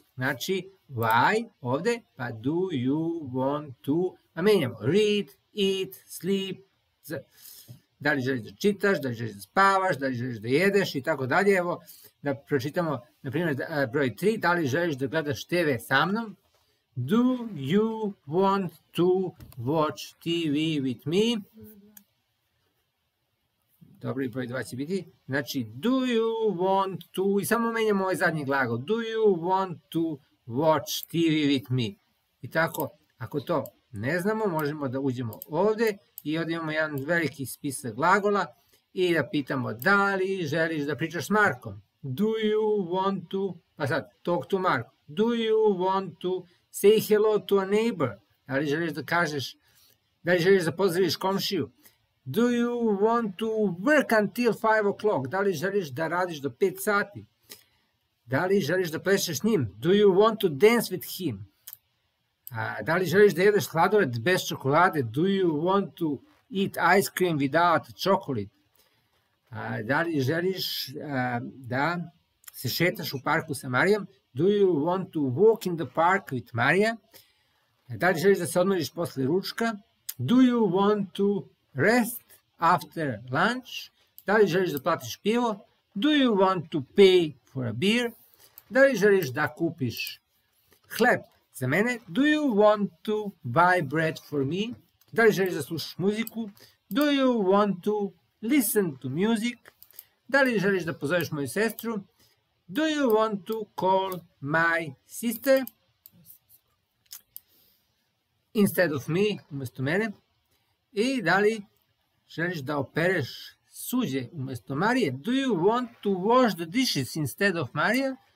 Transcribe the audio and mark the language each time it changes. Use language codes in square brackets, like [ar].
[sr] Znači, why ovde, pa [en] do you want to... [sr] A menjamo. [en] Read, eat, sleep. [sr] Da li želiš da čitaš? Da li želiš da spavaš? Da li želiš da jedeš? I tako dalje. Evo, da pročitamo, na primjer, broj 3. Da li želiš da gledaš TV sa mnom? [en] Do you want to watch TV with me? [sr] Dobro, i broj 2 će biti. Znači, [en] do you want to... [sr] I samo menjamo ovaj zadnji glagol. [en] Do you want to watch TV with me? [sr] I tako, ako to ne znamo, možemo da uđemo ovde i ovde imamo jedan veliki spisak glagola i da pitamo da li želiš da pričaš s Markom. [en] Do you want to... Pa sad, talk to Mark. Do you want to... Say hello to a neighbor. [sr] Da li želiš da kažeš, da li želiš da pozdraviš komšiju? [en] Do you want to work until 5 o'clock? [sr] Da li želiš da radiš do 5 sati? Da li želiš da plešeš s njim? [en] Do you want to dance with him? [sr] Da li želiš da jedeš sladoled bez čokolade? [en] Do you want to eat ice cream without chocolate? [sr] Da li želiš da se šetaš u parku sa Marijom? [en] Do you want to walk in the park with Maria? [sr] Da li želiš da se odmoriš posle ručka? [en] Do you want to rest after lunch? [sr] Da li želiš da platiš pivo? [en] Do you want to pay for a beer? [sr] Da li želiš da kupiš hleb za mene? [en] Do you want to buy bread for me? [sr] Da li želiš da slušaš muziku? [en] Do you want to listen to music? [sr] Da li želiš da pozoveš moju sestru? [en] Do you want to call my sister instead of me, [sr] umesto mene? I da li želiš da opereš suđe umesto Marije? [en] Do you want to wash the dishes instead of Maria?